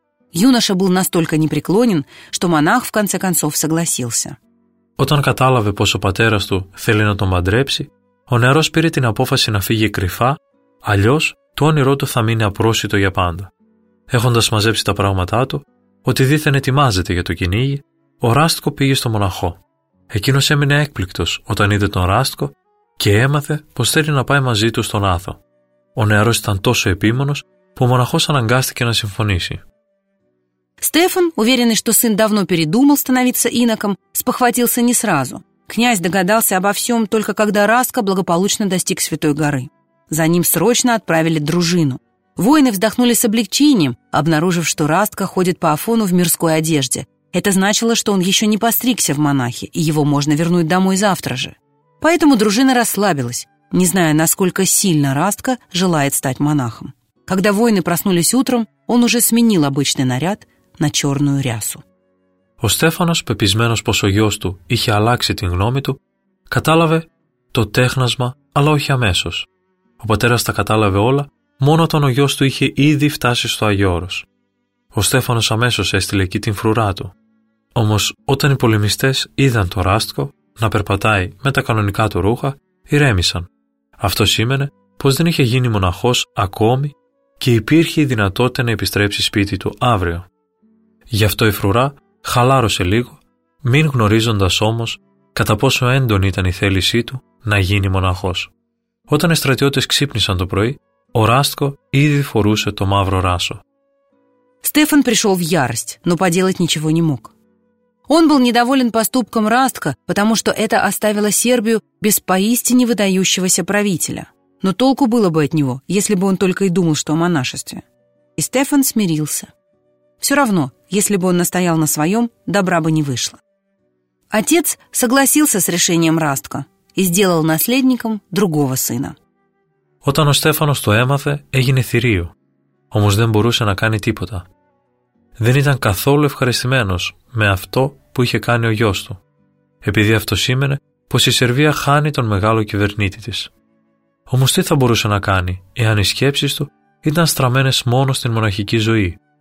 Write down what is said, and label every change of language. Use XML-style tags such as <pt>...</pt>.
<ru>Юноша был настолько непреклонен, что монах в конце концов согласился.</ru> <el>Отан каталаве, посо патерас ту хели на том адрепси, ο νεαρός πήρε την απόφαση να φύγει κρυφά, αλλιώς το όνειρό του θα μείνει απρόσιτο για πάντα. Έχοντας μαζέψει τα πράγματά του, ότι δήθεν ετοιμάζεται για το κυνήγι, ο Ράστκο πήγε στο μοναχό. Εκείνος έμεινε έκπληκτος όταν είδε τον Ράστκο και έμαθε πως θέλει να πάει μαζί του στον Άθο. Ο νεαρός ήταν τόσο επίμονος που ο μοναχός αναγκάστηκε να συμφωνήσει.</el> <ru>Стефан, уверенный, что сын давно передумал становиться иноком, спохватился не сразу. Князь догадался обо всем только когда Раска благополучно достиг Святой Горы. За ним срочно отправили дружину. Воины вздохнули с облегчением, обнаружив, что Растка ходит по Афону в мирской одежде. Это значило, что он еще не постригся в монахи, и его можно вернуть домой завтра же. Поэтому дружина расслабилась, не зная, насколько сильно Растка желает стать монахом. Когда воины проснулись утром, он уже сменил обычный наряд на черную рясу.</ru> <el>Ο Στέφανος, πεπισμένος πως ο γιος του είχε αλλάξει την γνώμη του, κατάλαβε το τέχνασμα, αλλά όχι αμέσως. Ο πατέρας τα κατάλαβε όλα, μόνο όταν ο γιος του είχε ήδη φτάσει στο Αγιώρος. Ο Στέφανος αμέσως έστειλε εκεί την φρουρά του. Όμως όταν οι πολεμιστές είδαν το Ράστκο να περπατάει με τα κανονικά του ρούχα, ηρέμησαν. Αυτό σήμαινε πως δεν είχε γίνει μοναχός ακόμη και υπήρχε η δυνατότητα να επιστρέψει σπίτι του αύριο. Γι' αυτό η φρουρά χαλάρωσε λίγο, μην γνωρίζοντας όμως κατά πόσο έντονη ήταν η θέλησή του να γίνει μοναχός. Όταν οι στρατιώτες ξύπνησαν το πρωί, ο Ράστκο ήδη φορούσε το μαύρο ράσο.</el> <ru>Стефан пришел в ярость, но поделать ничего не мог. Он был недоволен поступком Растка, потому что это оставило Сербию без поистине выдающегося правителя. Но толку было бы от него, если бы он только и думал, что о монашестве. И Стефан смирился. Все равно, если бы он настоял на своем, добра бы не вышло. Отец согласился с решением Растка и сделал наследником другого сына.</ru> <el>Όταν ο Στέφανος το έμαθε, έγινε θηρίο. Όμως δεν μπορούσε να κάνει τίποτα. Δεν ήταν καθόλου ευχαριστημένος με αυτό που είχε κάνει ο γιος του, επειδή αυτό σήμαινε πως η Σερβία χάνει τον μεγάλο κυβερνήτη της. Όμως τι θα μπορούσε να κάνει, εάν οι σκέψεις του ήταν στραμμένες μόνο στην μοναχική ζωή.</el>